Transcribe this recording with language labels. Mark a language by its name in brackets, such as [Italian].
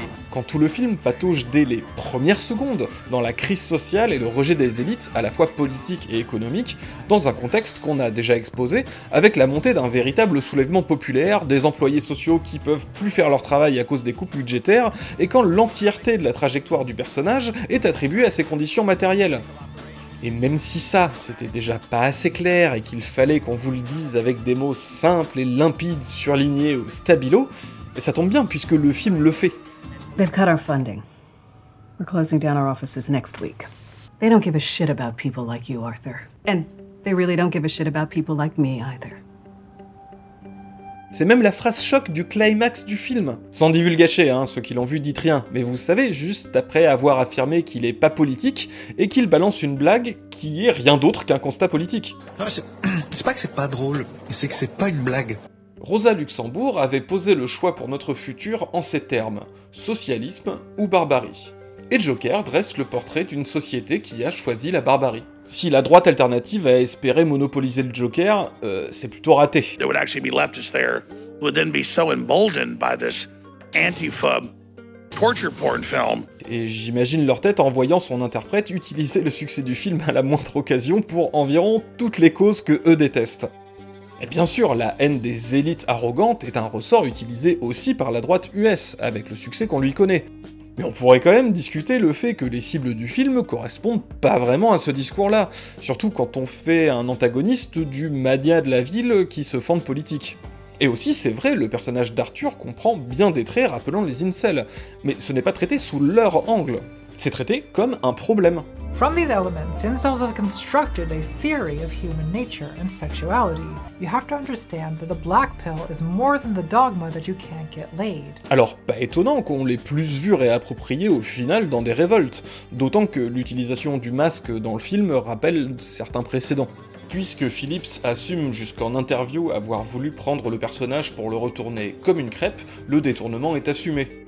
[French] Quand tout le film patauge dès les premières secondes dans la crise sociale et le rejet des élites, à la fois politique et économique, dans un contexte qu'on a déjà exposé, avec la montée d'un véritable soulèvement populaire, des employés sociaux qui peuvent plus faire leur travail à cause des coupes budgétaires, et quand l'entièreté de la trajectoire du personnage est attribuée à ses conditions matérielles. Et même si ça, c'était déjà pas assez clair et qu'il fallait qu'on vous le dise avec des mots simples et limpides, surlignés ou stabilo, ça tombe bien puisque le film le fait. [English] They've cut our funding. We're closing down our offices next week. They don't give a shit about people like you, Arthur. And they really don't give a shit about people like me either. [French] C'est même la phrase choc du climax du film. Sans divulgâcher, hein, ceux qui l'ont vu dites rien, mais vous savez, juste après avoir affirmé qu'il est pas politique, et qu'il balance une blague qui est rien d'autre qu'un constat politique. Non mais c'est pas que c'est pas drôle, c'est que c'est pas une blague. Rosa Luxembourg avait posé le choix pour notre futur en ces termes, socialisme ou barbarie. Et Joker dresse le portrait d'une société qui a choisi la barbarie. Si la droite alternative a espéré monopoliser le Joker, c'est plutôt raté. [English] There would actually be leftists there who would then be so emboldened by this Antifa torture porn film. [French] Et j'imagine leur tête en voyant son interprète utiliser le succès du film à la moindre occasion pour environ toutes les causes que eux détestent. Et bien sûr, la haine des élites arrogantes est un ressort utilisé aussi par la droite US, avec le succès qu'on lui connaît. Mais on pourrait quand même discuter le fait que les cibles du film correspondent pas vraiment à ce discours-là, surtout quand on fait un antagoniste du mania de la ville qui se fend de politique. Et aussi, c'est vrai, le personnage d'Arthur comprend bien des traits rappelant les incels, mais ce n'est pas traité sous leur angle. C'est traité comme un problème. [English] From these elements, incels have constructed a theory of human nature and sexuality. You have to understand that the black pill is more than the dogma that you can't get laid. [French] Alors, pas étonnant qu'on l'ait plus vu réapproprié au final dans des révoltes, d'autant que l'utilisation du masque dans le film rappelle certains précédents. Puisque Phillips assume jusqu'en interview avoir voulu prendre le personnage pour le retourner comme une crêpe, le détournement est assumé.